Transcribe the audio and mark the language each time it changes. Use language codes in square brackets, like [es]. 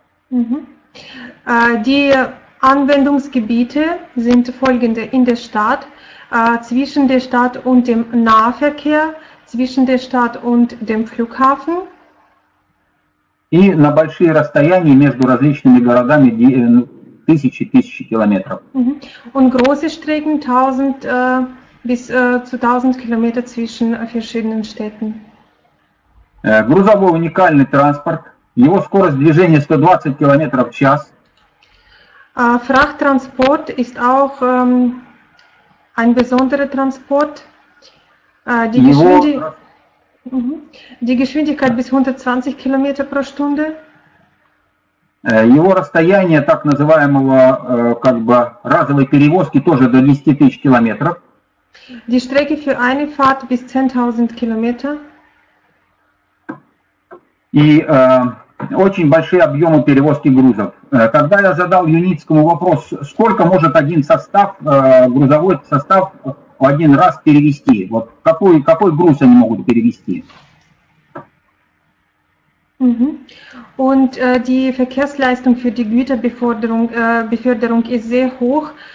[de] Die Anwendungsgebiete sind folgende: in der Stadt, zwischen der Stadt und dem Nahverkehr, zwischen der Stadt und dem Flughafen. [ru] И на большие расстояния между различными городами, die, тысячи километров. [de] Und große Strecken 1000 bis zu 1000 Kilometer zwischen verschiedenen Städten. [ru] Грузовой уникальный транспорт. Его скорость движения 120 км в час. [de] Frachttransport ist auch ein besonderer Transport. Die Geschwindigkeit bis 120 km pro Stunde. [ru] Его расстояние так называемого как бы разовой перевозки тоже до 10 тысяч километров. [de] Die Strecke für eine Fahrt bis 10.000 Kilometer. [ru] И очень большие объемы перевозки грузов. Когда я задал Юницкому вопрос, сколько может один состав, грузовой состав один раз перевезти? Вот какой, какой груз они могут перевезти? [de] Und die Verkehrsleistung für die Güterbeförderung ist sehr hoch.